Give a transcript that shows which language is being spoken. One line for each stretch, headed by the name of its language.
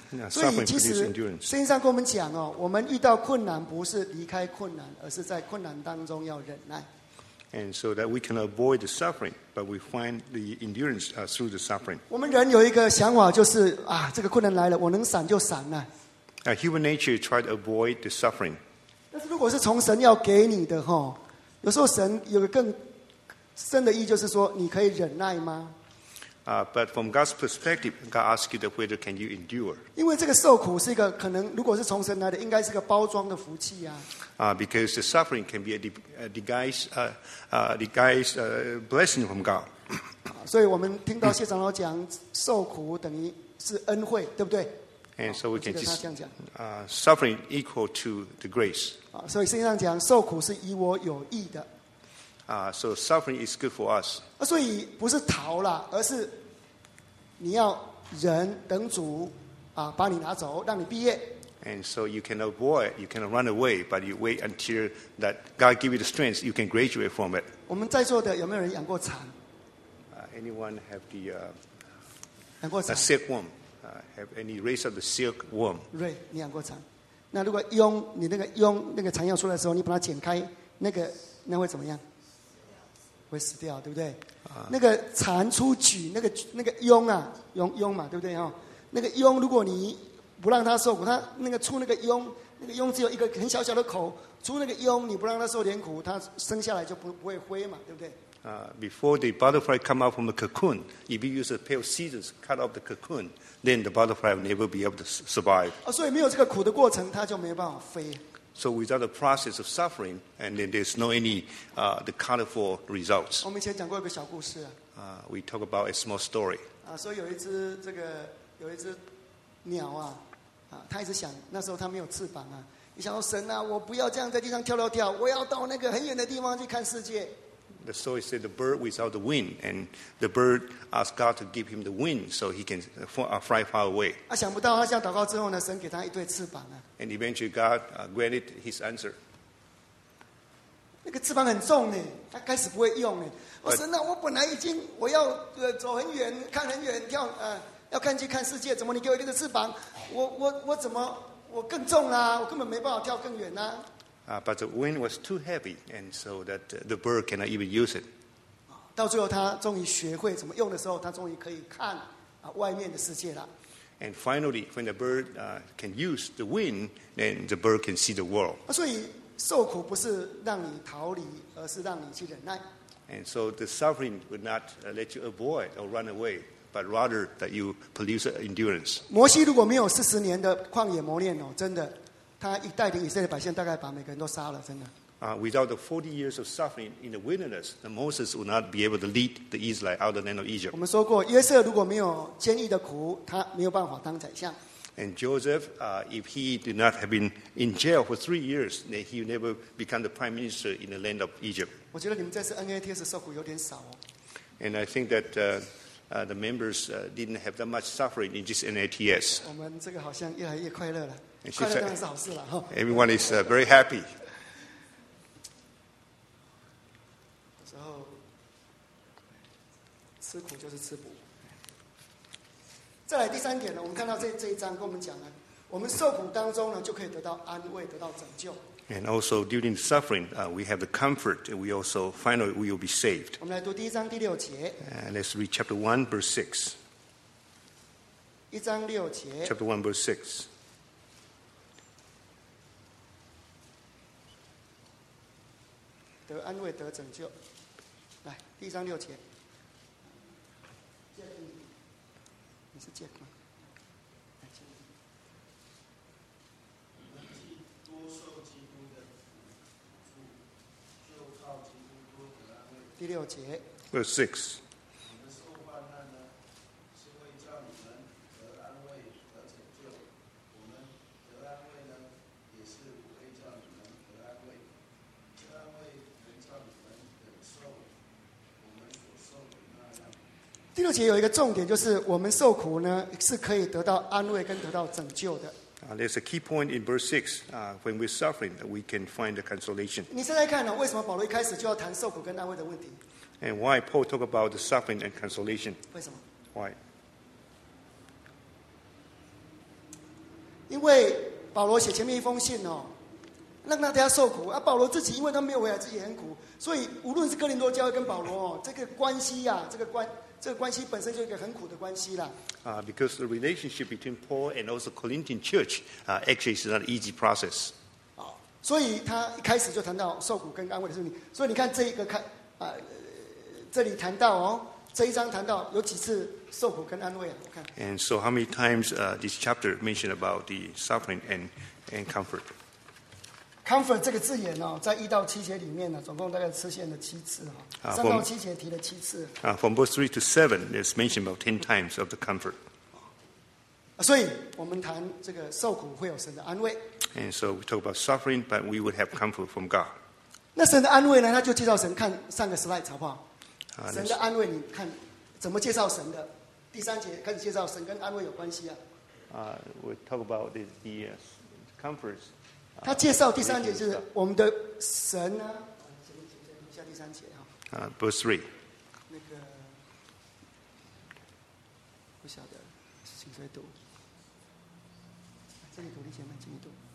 Chinese: 所以其实圣经上跟我们讲，我们遇到困难不是离开困难，而是在困难当中要忍耐。
English: And so that we can avoid the suffering, but we find the endurance through the suffering.
Chinese: 我们人有一个想法，就是啊，这个困难来了，我能闪就闪了。
English: Human nature tried to avoid the suffering.
Chinese: 但是如果是从神要给你的哈，有时候神有个更深的意，就是说你可以忍耐吗？
English: But from God's perspective, God asks you that whether can you endure?
Chinese: 因为这个受苦是一个可能，如果是从神来的，应该是个包装的福气呀。
English: Because the suffering can be a disguised blessing from God.
Chinese: 所以我们听到谢长老讲，受苦等于是恩惠，对不对？
English: And so we can just suffering equal to the grace.
Chinese: 所以圣经上讲，受苦是以我有益的。
English: So suffering is good for us.
Chinese: 所以不是逃了，而是你要忍等主把你拿走，让你毕业。
English: And so you can avoid, you can run away, but you wait until that God give you the strength, you can graduate from it.
Chinese: 我们在座的有没有人养过蚕？
English: Anyone have the
Chinese: 养过蚕
English: a silk worm? Have any raised up the silk worm?
Chinese: Ray, 你养过蚕？那如果蛹，你那个蛹那个蚕药出来的时候，你把它剪开，那会怎么样？会死掉，对不对？那个蚕出蛹，那个蛹啊，蛹嘛，对不对？那个蛹，如果你不让它受苦，它那个出那个蛹，那个蛹只有一个很小小的口，出那个蛹，你不让它受点苦，它生下来就不会飞嘛，对不对？
English: Before the butterfly come out from the cocoon, if you use a pair of scissors cut off the cocoon, then the butterfly will never be able to survive.
Chinese: 所以没有这个苦的过程，它就没有办法飞。
English: So without the process of suffering, and then there's no any the colorful results.
Chinese: 我们以前讲过一个小故事。
English: We talk about a small story.
Chinese: 所以有一只鸟它一直想，那时候它没有翅膀啊，你想说神啊，我不要这样在地上跳跳跳，我要到那个很远的地方去看世界。
English: The story said the bird without the wing, and the bird asked God to give him the wing so he can fly far away.
Chinese: 想不到他这样祷告之后呢，神给他一对翅膀啊。
English: And eventually God granted his answer.
Chinese: 那个翅膀很重呢，他开始不会用呢。神啊，我本来已经我要走很远，看很远，跳要看去看世界，怎么你给我一个翅膀？我怎么我更重啊？我根本没办法跳更远啊。
English: But the wind was too heavy, and so that the bird cannot even use it.
Chinese: 到最后，他终于学会怎么用的时候，他终于可以看外面的世界了。
English: And finally, when the bird can use the wind, then the bird can see the world.
Chinese: 所以受苦不是让你逃离，而是让你去忍耐。
English: And so the suffering would not let you avoid or run away, but rather that you produce endurance.
Chinese: 摩西如果没有40年的旷野磨练真的。他一带领以色列百姓，大概把每个人都杀了，真的。
English: Without the 40 years of suffering in the wilderness, Moses would not be able to lead the Israelites out of the land of Egypt.
Chinese: 我们说过，约瑟如果没有监狱的苦，他没有办法当宰相。
English: And Joseph, if he did not have been in jail for 3 years, then he would never become the prime minister in the land of Egypt.
Chinese: 我觉得你们这次 NATS 受苦有点少。
English: And I think that the members didn't have that much suffering in just NATS.
Chinese: 我们这个好像越来越快乐了。快乐当然是好事了。
English: Everyone is very happy.
Chinese: 有时候吃苦就是吃补。再来第三点呢，我们看到这一章跟我们讲呢，我们受苦当中呢就可以得到安慰，得到拯救。
English: And also during suffering, we have the comfort. We also finally we will be saved.
Chinese: 我们来读第一章第六节。
English: And let's read chapter 1, verse 6.
Chinese: 一章六节。
English: Chapter 1, verse 6.
Chinese: 得安慰，得拯救。来，第一章六节。你是Jack吗？第六节。
English: Verse six.
Chinese: 第六节有一个重点，就是我们受苦呢是可以得到安慰跟得到拯救的。
English: There's a key point in verse 6. When we're suffering, we can find the consolation.
Chinese: 你现在看为什么保罗一开始就要谈受苦跟安慰的问题
English: ？And why Paul talk about the suffering and consolation?
Chinese: 为什么
English: ？Why？
Chinese: 因为保罗写前面一封信哦，让大家受苦啊，保罗自己因为他没有回来，自己很苦，所以无论是哥林多教会跟保罗哦，这个关系啊，这个关系本身就一个很苦的关系啦。
English: Because the relationship between Paul and also Corinthian church, actually is not an easy process.
Chinese: 所以他一开始就谈到受苦跟安慰的事情。所以你看这一个这里谈到哦，这一章谈到有几次受苦跟安慰啊？我看。
English: And so how many times this chapter mentioned about the suffering and comfort?
Chinese: Comfort 这个字眼哦，在一到七节里面呢，总共大概出现了七次哈、哦，三到七节提了七次。
English: From verse 3 to 7, it's mentioned about 10 times of the comfort.
Chinese: 所以我们谈这个受苦会有神的安慰。
English: And so we talk about suffering, but we would have comfort from God.
Chinese: 那神的安慰呢？他就介绍神，看上个 slide 好不好？神的安慰，你看怎么介绍神的？第三节开始介绍神跟安慰有关系啊。
English: We talk about the comforts.
Chinese: 他介绍第三节就是我们的神呢、啊。先下第三节哈。
English: Verse three.
Chinese: 那个不晓得，请再读。这里读的前面，请你读。